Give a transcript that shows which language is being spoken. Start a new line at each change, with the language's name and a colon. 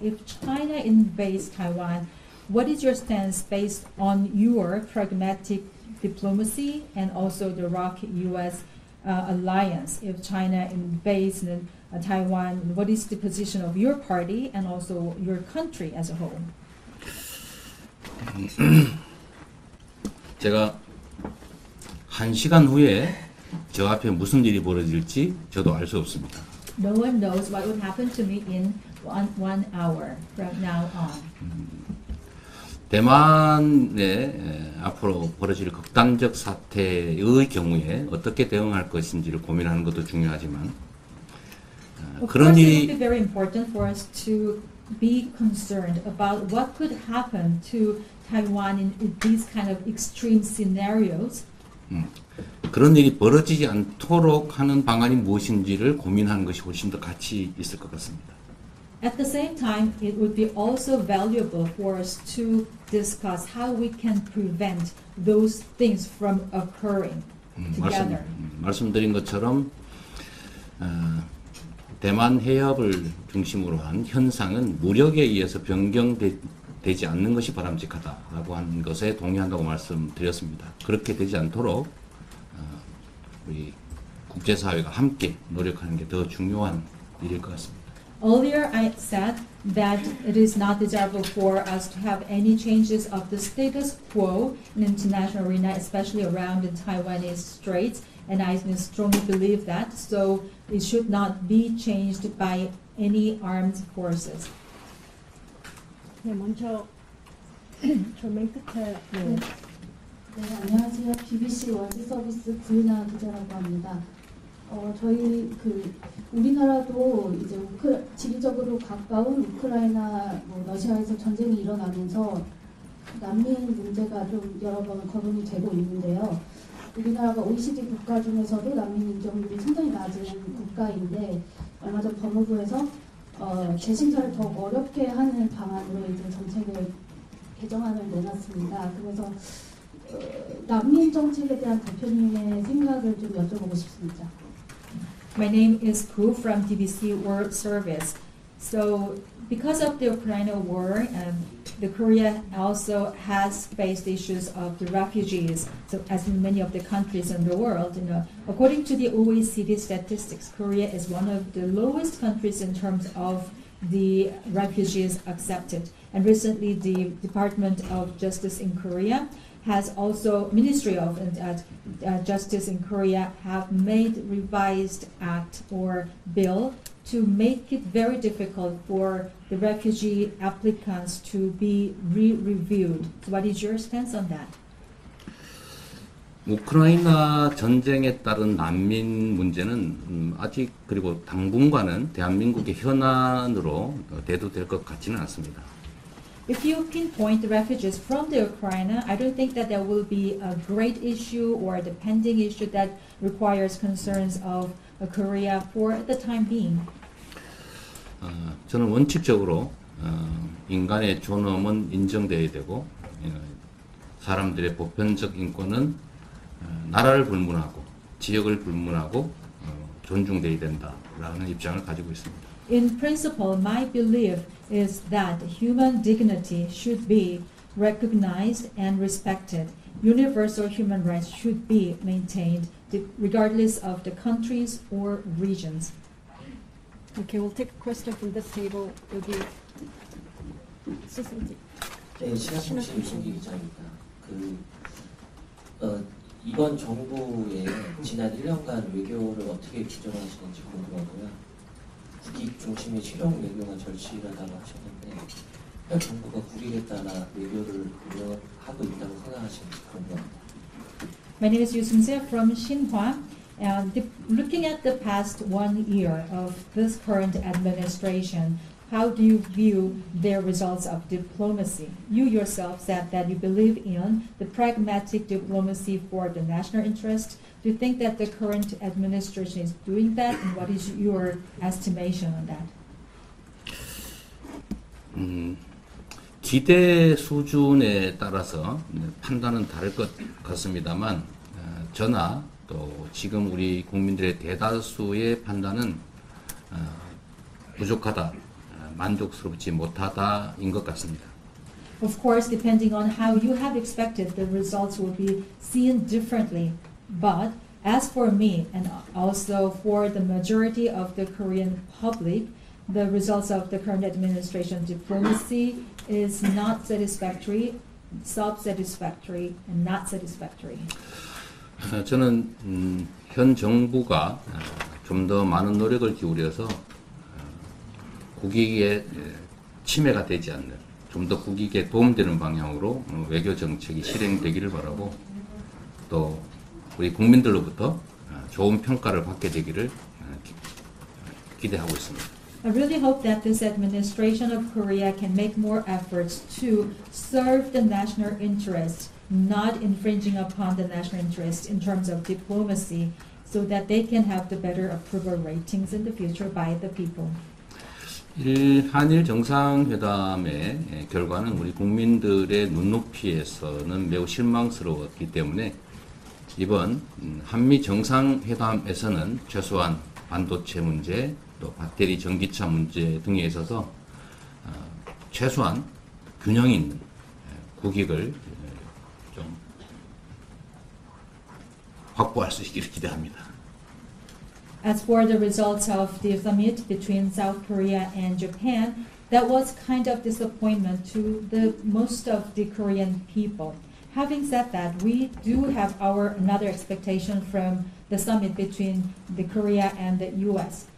English: If China invades Taiwan, what is your stance based on your pragmatic diplomacy and also the ROC-US alliance? If China invades Taiwan, what is the position of your party and also your country as a whole?
Korean: 제가 한 시간 후에 저 앞에 무슨 일이 벌어질지 저도 알 수 없습니다.
English: No one knows what would happen to me in one hour from now on.
Korean: 대만의 앞으로 벌어질 극단적 사태의 경우에 어떻게 대응할 것인지를 고민하는 것도 중요하지만 그런 일이
English: It would be very important for us to be concerned about what could happen to Taiwan in these kind of extreme scenarios.
Korean: 그런 일이 벌어지지 않도록 하는 방안이 무엇인지를 고민하는 것이 훨씬 더 가치 있을 것 같습니다.
English: At the same time, it would be also valuable for us to discuss how we can prevent those things from occurring together.
Korean: 말씀드린 것처럼 대만 해협을 중심으로 한 현상은 무력에 의해서 변경되지 않는 것이 바람직하다라고 한 것에 동의한다고 말씀드렸습니다. 그렇게 되지 않도록 우리 국제사회가 함께 노력하는 게 더 중요한 일일 것 같습니다.
English: Earlier, I said that it is not desirable for us to have any changes of the status quo in international arena, especially around the Taiwanese Straits, and I strongly believe that, so it should not be changed by any armed forces.
Korean: 네, 먼저, 저 맨 끝에... 네. 네, 안녕하세요. BBC 월드 서비스 김이나 기자라고 합니다. 저희 우리나라도 이제 지리적으로 가까운 우크라이나 뭐 러시아에서 전쟁이 일어나면서 난민 문제가 좀 여러 번 거론이 되고 있는데요. 우리나라가 OECD 국가 중에서도 난민 인정률이 상당히 낮은 국가인데 얼마 전 법무부에서 재심사를 더 어렵게 하는 방안으로 이제 정책을 개정안을 내놨습니다. 그래서 난민 정책에 대한 대표님의 생각을 좀 여쭤보고 싶습니다.
English: My name is Ku from DBC World Service. So because of the Ukraine war, the Korea also has faced issues of the refugees, so as in many of the countries in the world. You know, according to the OECD statistics, Korea is one of the lowest countries in terms of the refugees accepted. And recently, the Department of Justice in Korea has also, Ministry of Justice in Korea have made revised act or bill to make it very difficult for the refugee applicants to be re-reviewed. So what is your stance on that?
Korean: 우크라이나 전쟁에 따른 난민 문제는 아직 그리고 당분간은 대한민국의 현안으로 대두될 것 같지는 않습니다.
English: If you pinpoint the refugees from the Ukraine, I don't think that there will be a great issue or the pending issue that requires concerns of Korea for the time being.
Korean: 저는 원칙적으로 인간의 존엄은 인정돼야 되고 사람들의 보편적 인권은 나라를 불문하고 지역을 불문하고 존중돼야 된다라는 입장을 가지고 있습니다.
English: In principle, my belief is that human dignity should be recognized and respected. Universal human rights should be maintained regardless of the countries or regions. Okay, we'll take a question from this table. It'll be...
Korean: 이번 정부의 지난 1년간 외교를 어떻게 규정하시는지 궁금하고요. 국익 중심의 실용 외교가 절실하다고 하셨는데 현 정부가 국익에 따라 외교를 운영하고 있다고 생각하시는지 궁금합니다.
English: My name is Yoo Seung-se from Xinhua. And looking at the past one year of this current administration, how do you view their results of diplomacy? You yourself said that you believe in the pragmatic diplomacy for the national interest. Do you think that the current administration is doing that? And what is your estimation on that?
Korean: 지대 수준에 따라서 판단은 다를 것 같습니다만 저나 또 지금 우리 국민들의 대다수의 판단은 부족하다. 만족스럽지 못하다인 것 같습니다.
English: Of course, depending on how you have expected, the results will be seen differently. But as for me, and also for the majority of the Korean public, the results of the current administration's diplomacy is not satisfactory, sub-satisfactory, and not satisfactory.
Korean: 저는 현 정부가 좀 더 많은 노력을 기울여서 국익에 침해가 되지 않는, 좀 더 국익에 도움되는 방향으로 외교 정책이 실행되기를 바라고 또 우리 국민들로부터 좋은 평가를 받게 되기를 기대하고 있습니다.
English: I really hope that this administration of Korea can make more efforts to serve the national interest, not infringing upon the national interest in terms of diplomacy, so that they can have the better approval ratings in the future by the people.
Korean: 한일 정상회담의 결과는 우리 국민들의 눈높이에서는 매우 실망스러웠기 때문에 이번 한미 정상회담에서는 최소한 반도체 문제, 또 배터리 전기차 문제 등에 있어서 최소한 균형 있는 국익을 좀 확보할 수 있기를 기대합니다.
English: As for the results of the summit between South Korea and Japan, that was kind of disappointment to the most of the Korean people. Having said that, we do have our another expectation from the summit between the Korea and the U.S.